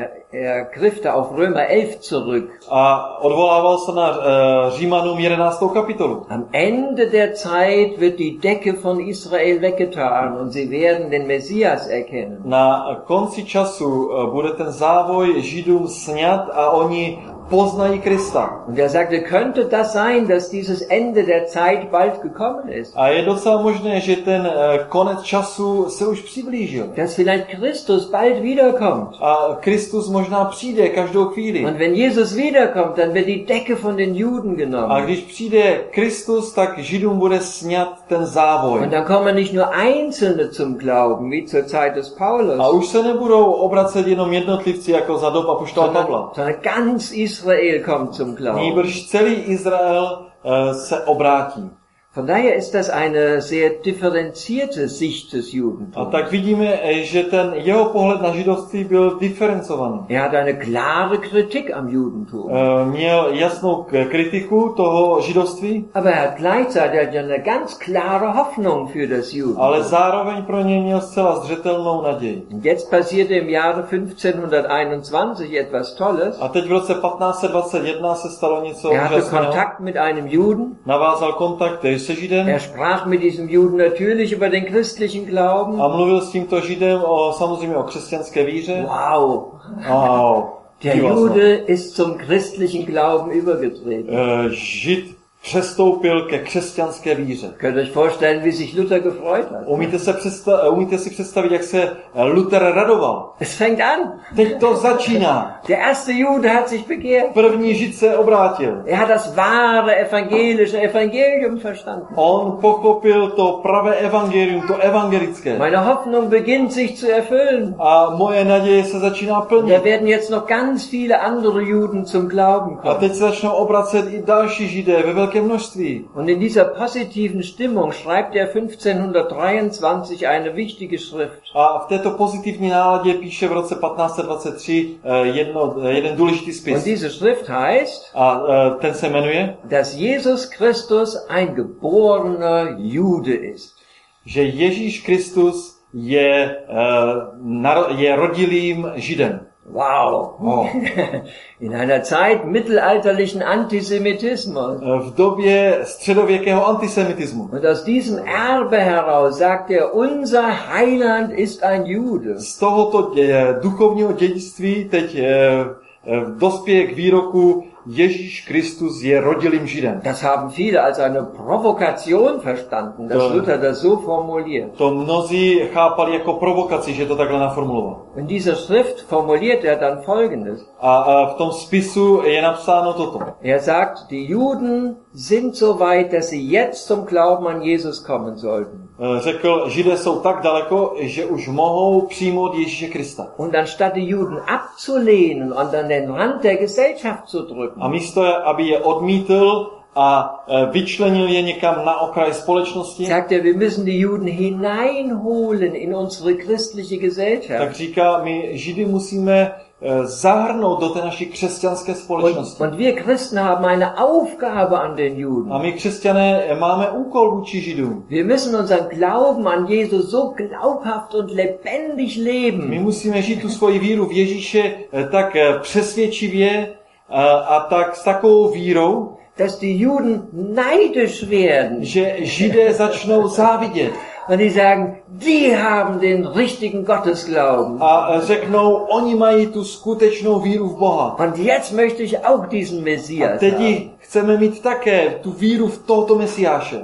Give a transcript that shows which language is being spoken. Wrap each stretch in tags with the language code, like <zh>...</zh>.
<de>Er griff da auf Römer 11 zurück.</de> <cs>A odvolával se na Římanům 11. kapitolu.</cs> <de>Am Ende der Zeit wird die Decke von Israel weggetan und sie werden den Messias erkennen.</de> <cs>Na konci času bude ten závoj Židům snět a oni poznají Krista.</cs> <de>Und er sagte, könnte das sein, dass dieses Ende der Zeit bald gekommen ist?</de> <cs>A je docela možné, že ten konec času se už přiblížil.</cs> <de>Dass vielleicht Christus bald wiederkommt.</de> <cs>A Kristus možná přijde každou chvíli.</cs> <de>Und wenn Jesus wiederkommt, dann wird die Decke von den Juden genommen.</de> <cs>A když přijde Kristus, tak Židům bude snět ten závoj.</cs> <de>Und dann kommen nicht nur einzelne zum Glauben, wie zur Zeit des Paulus.</de> <cs>A už se nebudou obracet jenom jednotlivci, jako za dob apoštola Pavla.</cs> <de>Sondern ganz Israel kommt zum Glauben.</de> <cs>Nýbrž celý Izrael se obrátí.</cs> <de>Von daher ist das eine sehr differenzierte Sicht des Judentums.</de> <cs>A tak vidíme, že ten jeho pohled na židovství byl diferencovaný.</cs> <de>Er hat eine klare Kritik am Judentum.</de> <cs>Měl jasnou kritiku toho židovství.</cs> <de>Aber er hat gleichzeitig eine ganz klare Hoffnung für das Judentum.</de> <cs>Ale zároveň pro ně měl zcela zřetelnou naději.</cs> <de>Jetzt passierte im Jahre 1521 etwas Tolles.</de> <cs>A teď v roce 1521 se stalo něco úžasného.</cs> <de>Er hatte Kontakt mit einem Juden.</de> <cs>Navázal kontakt.</cs> <de>Er sprach mit diesem Juden natürlich über den christlichen Glauben.</de> <cs>A mluvil s tímto Židem samozřejmě o křesťanské víře. Wow. Wow.</cs> <de>Der Jude ist zum christlichen Glauben übergetreten.</de> <cs>Žid přestoupil ke křesťanské víře.</cs> <de>Könnt ihr euch vorstellen, wie sich Luther gefreut hat?</de> <cs>Umíte si představit, jak se Luther radoval?</cs> <de>Es fängt an.</de> <cs>Teď to začíná.</cs> <de>Der erste Jude hat sich bekehrt.</de> <cs>První Žid se obrátil.</cs> <de>Er hat das wahre evangelische Evangelium verstanden.</de> <cs>On pochopil to pravé evangelium, to evangelické.</cs> <de>Meine Hoffnung beginnt sich zu erfüllen.</de> <cs>A moje naděje se začíná plnit.</cs> <de>Da werden jetzt noch ganz viele andere Juden zum Glauben kommen.</de> <cs>A teď se začnou obracet i další Židé ve velké množství.</cs> <de>Und in dieser positiven Stimmung schreibt er 1523 eine wichtige Schrift.</de> <cs>A v této pozitivní náladě píše v roce 1523 jeden důležitý spis.</cs> <de>Und diese Schrift heißt,</de> <cs>ten se jmenuje,</cs> <de>dass Jesus Christus ein geborener Jude ist.</de> <cs>Že Ježíš Kristus je je rodilým Židem.</cs> <de>Wow. Oh. In einer Zeit mittelalterlichen Antisemitismus.</de> <cs>V době středověkého antisemitismu.</cs> <de>Und aus diesem Erbe heraus sagt er, unser Heiland ist ein Jude.</de> <cs>Z tohoto duchovního dědictví teď dospěje k výroku, Ježíš Kristus je rodilým Židem.</cs> <de>Das haben viele als eine Provokation verstanden, dass Luther das so formuliert.</de> <cs>To mnozí chápali jako provokaci, že to takhle naformuloval.</cs> <de>In dieser Schrift formuliert er dann folgendes.</de> <cs>A v tom spisu je napsáno toto.</cs> <de>Er sagt, die Juden sind so weit, dass sie jetzt zum Glauben an Jesus kommen sollten.</de> <cs>Řekl, Židé jsou tak daleko, že už mohou přijmout Ježíše Krista.</cs> <de>Und anstatt die Juden abzulehnen und an den Rand der Gesellschaft zu drücken.</de> <cs>A místo, aby je odmítl a vyčlenil je někam na okraj společnosti.</cs> <de>Sagt er, wir müssen die Juden hineinholen in unsere christliche Gesellschaft.</de> <cs>Tak říká, my Židy musíme zahrnout do té naší křesťanské společnosti.</cs> <de>Und wir Christen haben eine Aufgabe an den Juden.</de> <cs>A my křesťané máme úkol vůči Židům.</cs> <de>Wir müssen unseren Glauben an Jesus so glaubhaft und lebendig leben.</de> <cs>My musíme žít tu svoji víru v Ježíše tak přesvědčivě a tak s takovou vírou,</cs> <de>dass die Juden neidisch werden.</de> <cs>Že Židé začnou závidět.</cs> <de>Und die sagen, die haben den richtigen Gottesglauben.</de> <cs>A řeknou, oni mají tu skutečnou víru v Boha.</cs> <de>Und jetzt möchte ich auch diesen Messias.</de> <cs>A teď chceme mít také tu víru v tohoto Mesiáše.</cs>